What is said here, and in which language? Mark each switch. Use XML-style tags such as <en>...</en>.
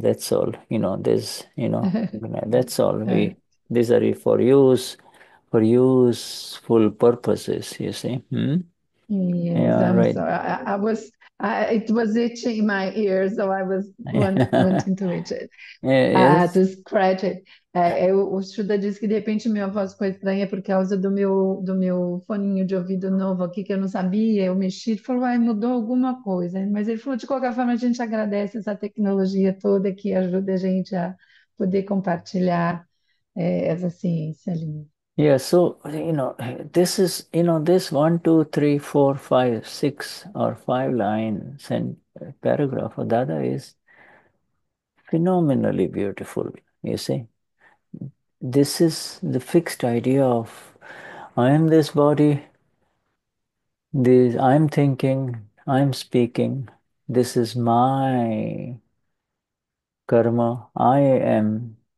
<en>That's all, you know, this, you know, that's all. Right. We, these are for useful purposes, you see. Yes, I'm right. sorry. It was itching my ears, so I was wanting to itch it, Yes. to scratch it.</en> <pt>O Shuda disse que de repente minha voz foi estranha por causa do meu foninho de ouvido novo aqui, que eu não sabia. Eu mexi e falou, ai, mudou alguma coisa. Mas ele falou, de qualquer forma, a gente agradece essa tecnologia toda que ajuda a gente a poder compartilhar essa ciência linda.</pt> <en>Yeah, so, you know, this is, you know, this 1, 2, 3, 4, 5, 6 or 5 lines and paragraph of Dada is phenomenally beautiful, you see. This is the fixed idea of I am this body, this I am thinking, I am speaking, this is my karma, I am</en>